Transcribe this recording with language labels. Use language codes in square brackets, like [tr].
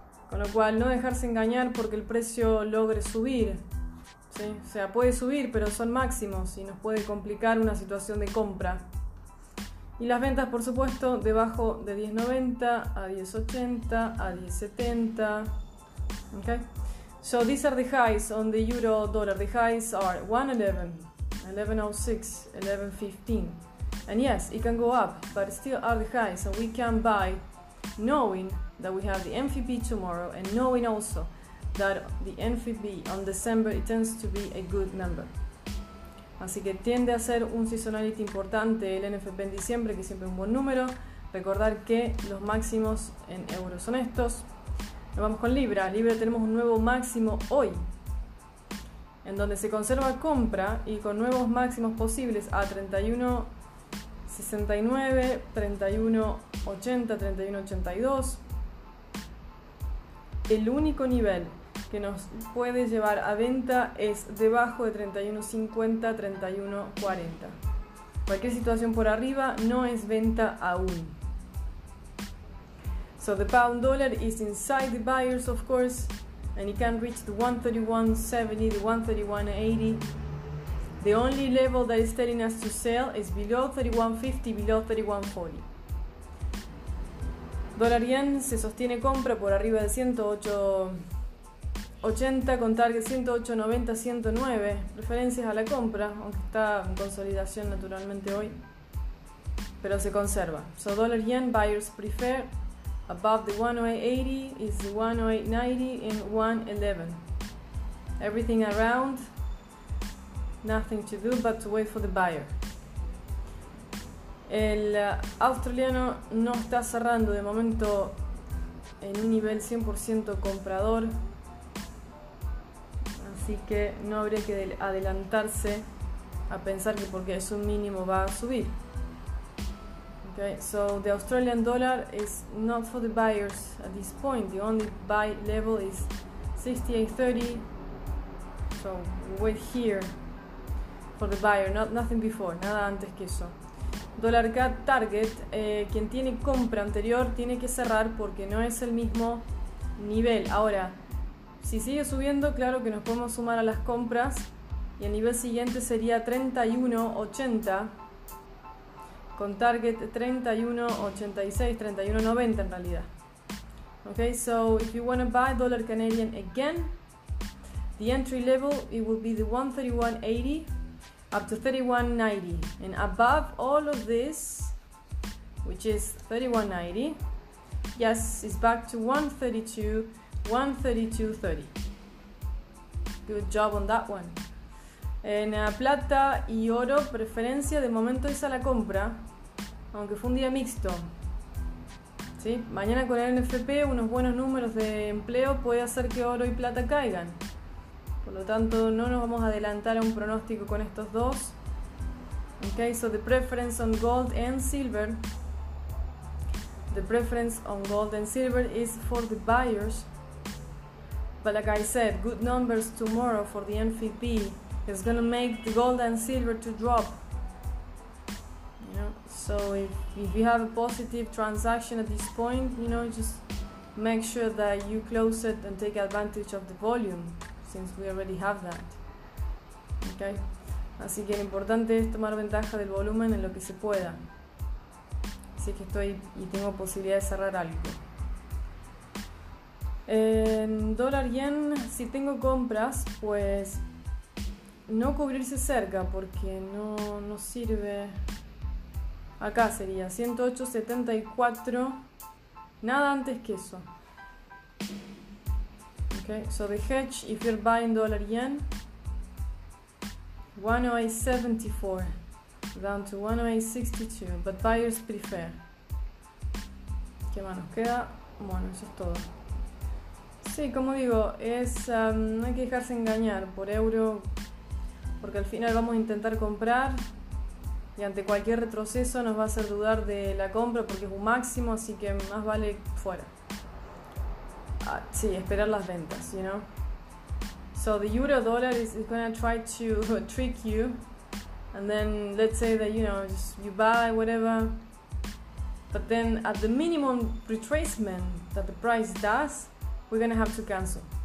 [es] Con lo cual, no dejarse engañar porque el precio logre subir. ¿Sí? O sea, puede subir, pero son máximos y nos puede complicar una situación de compra. Y las ventas, por supuesto, debajo de 10.90 a 10.80 a 10.70. [en] Okay. So these are the highs on the euro dollar. The highs are 1.11, 11.06, 11.15. And yes, it can go up, but still are the highs. So we can buy knowing that we have the MFP tomorrow and knowing also that the MFP on December, it tends to be a good number. [es] Así que tiende a ser un seasonality importante el NFP en diciembre, que siempre es un buen número. Recordar que los máximos en euros son estos. Nos vamos con Libra. Libra, tenemos un nuevo máximo hoy, en donde se conserva compra y con nuevos máximos posibles a 31.69, 31.80, 31.82. El único nivel que nos puede llevar a venta es debajo de 31.50, 31.40. Cualquier situación por arriba no es venta aún. [en] So the pound dollar is inside the buyers, of course, and it can reach the 131.70, the 131.80. The only level that is telling us to sell is below 31.50, below 31.40. [es] Dólar yen se sostiene compra por arriba de 108.80 con target 108.90, 109. Preferencias a la compra, aunque está en consolidación naturalmente hoy, pero se conserva. [en] So dólar yen, buyers prefer. Above the 108.80 is the 108.90 and 111. Everything around, nothing to do but to wait for the buyer. [es] El australiano no está cerrando de momento en un nivel 100% comprador, así que no habría que adelantarse a pensar que porque es un mínimo va a subir. [en] Okay, so the Australian dollar is not for the buyers at this point. The only buy level is 68.30. So wait here for the buyer, nothing before, [es] nada antes que eso. Dollar CAD target, quien tiene compra anterior tiene que cerrar porque no es el mismo nivel. Ahora, si sigue subiendo, claro que nos podemos sumar a las compras y el nivel siguiente sería 31.80. Con target 31.86, 31.90 en realidad. [en] Okay, so if you want to buy dollar Canadian again, the entry level, it will be the 131.80 up to 31.90. And above all of this, which is 31.90, yes, it's back to 132, 132.30. Good job on that one. [es] En plata y oro, preferencia de momento es a la compra. Aunque fue un día mixto, ¿sí? Mañana con el NFP, unos buenos números de empleo puede hacer que oro y plata caigan. Por lo tanto, no nos vamos a adelantar a un pronóstico con estos dos. [en] Okay, so the preference on gold and silver. The preference on gold and silver is for the buyers. But like I said, good numbers tomorrow for the NFP is going to make the gold and silver to drop. So if you have a positive transaction at this point, you know, just make sure that you close it and take advantage of the volume, since we already have that. Okay. [es] Así que lo importante es tomar ventaja del volumen en lo que se pueda. Así que estoy y tengo posibilidad de cerrar algo. En dólar yen, si tengo compras, pues no cubrirse cerca porque no sirve. Acá sería 108.74, nada antes que eso. [en] Okay, so the hedge, if you're buying dollar yen, 108.74, down to 108.62, but buyers prefer. [es] ¿Qué más nos queda? Bueno, eso es todo. Sí, como digo, no hay que dejarse engañar por euro. porque al final vamos a intentar comprar y ante cualquier retroceso nos va a hacer dudar de la compra porque es un máximo, así que más vale fuera. Ah, sí, esperar las ventas, [en] you know. So the euro dollar is going to try to trick you, and then let's say that, you know, just you buy whatever, but then at the minimum retracement that the price does, we're going to have to cancel.